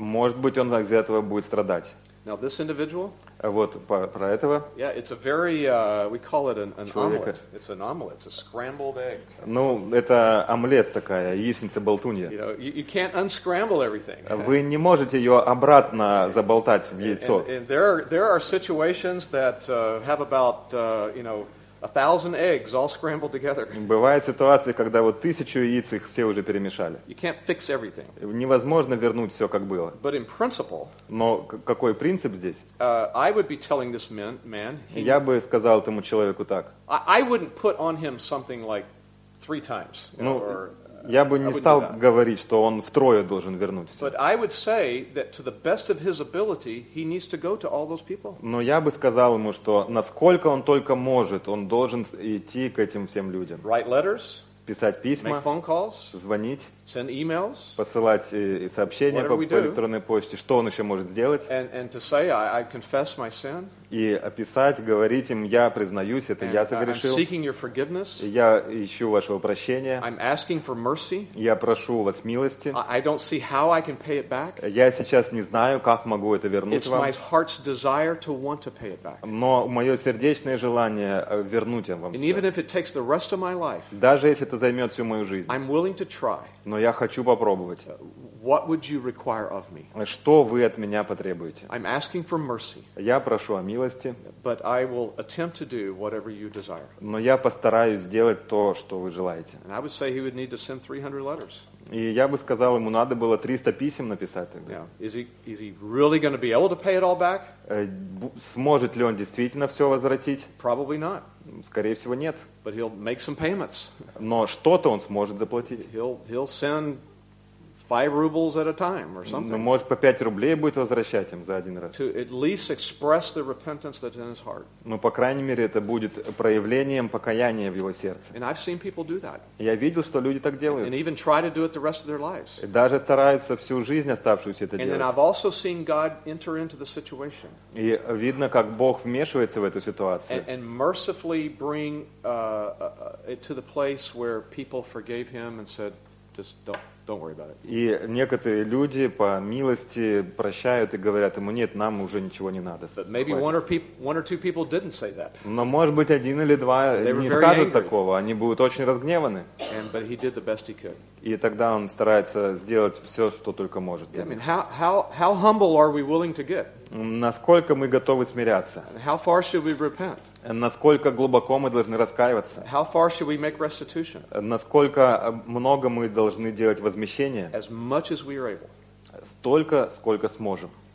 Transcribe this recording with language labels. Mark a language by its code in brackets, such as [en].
[ru] Может быть, он из-за этого будет страдать. [en] Now this individual? [ru] Вот про этого? [en] Yeah, it's a very we call it an omelet. It's an omelet. It's a scrambled egg. [ru] Ну, это омлет такая, яичница-болтунья. [en] You know, you can't unscramble everything. [ru] Вы не можете ее обратно заболтать в яйцо. [en] And there are situations that have about you know 1,000 eggs all scrambled together. [ru] Бывают ситуации, когда вот 1,000 яиц их все уже перемешали. [en] You can't fix everything. [ru] Невозможно вернуть все как было. [en] But in principle. [ru] Но какой принцип здесь? [en] I would be telling this man. [ru] Я бы сказал этому человеку так. [en] I wouldn't put on him something like 3 times. [ru] Ну, я бы не стал говорить, что он втрое должен вернуть. [en] But I would say that to the best of his ability, he needs to go to all those people. [ru] Но я бы сказал ему, что насколько он только может, он должен идти к этим всем людям. [en] Write letters. [ru] Писать письма. [en] Make phone calls. [ru] Звонить. [en] Send emails. [ru] Посылать сообщения по электронной почте. Что он еще может сделать? [en] And to say, I confess my sin. [ru] И описать, говорить им, я признаюсь, это я согрешил. [en] I'm seeking your forgiveness. [ru] Я ищу вашего прощения. [en] I'm asking for mercy. [ru] Я прошу у вас милости. [en] I don't see how I can pay it back. [ru] Я сейчас не знаю, как могу это вернуть вам. [en] It's my heart's desire to want to pay it back. [ru] Но мое сердечное желание вернуть вам все. [en] And even if it takes the rest of my life. [ru] Даже если это займет всю мою жизнь. [en] I'm willing to try. [ru] Но я хочу попробовать. [en] What would you require of me? [ru] Что вы от меня потребуете? [en] I'm asking for mercy. [ru] Я прошу о милости. [en] But I will attempt to do whatever you desire. [ru] Но я постараюсь сделать то, что вы желаете. [en] And I would say he would need to send 300 letters. [ru] И я бы сказал ему, надо было 300 писем написать тогда. [en] Yeah. Is he really going to be able to pay it all back? [ru] Сможет ли он действительно все возвратить? [en] Probably not. [ru] Скорее всего, нет. [en] But he'll make some payments. [ru] Но что-то он сможет заплатить. [en] He'll send 5 rubles at a time or something. [ru] Ну, может, по 5 рублей будет возвращать им за один раз. [en] To at least express the repentance that's in his heart. [ru] Ну, по крайней мере, это будет проявлением покаяния в его сердце. [en] And I've seen people do that. [ru] Я видел, что люди так делают. [en] And even try to do it the rest of their lives. [ru] И даже стараются всю жизнь оставшуюся это [en] and [ru] делать. [en] And I've also seen God enter into the situation. [ru] И видно, как Бог вмешивается в эту ситуацию. [en] And mercifully bring it to the place where people forgave him and said, just don't worry about it. [ru] И некоторые люди по милости прощают и говорят ему, нет, нам уже ничего не надо. [en] But maybe one or two people didn't say that. [ru] Но может быть один или два не скажут такого, они будут очень разгневаны. [en] But he did the best he could. [ru] И тогда он старается сделать все, что только может. [en] Yeah, I mean, how humble are we willing to get? [ru] Насколько мы готовы смиряться? [en] And how far should we repent? [ru] Насколько глубоко мы должны раскаиваться? [en] How far should we make restitution? [ru] Насколько много мы должны делать возмещения? [en] As much as we are able. [ru] Столько, сколько сможем.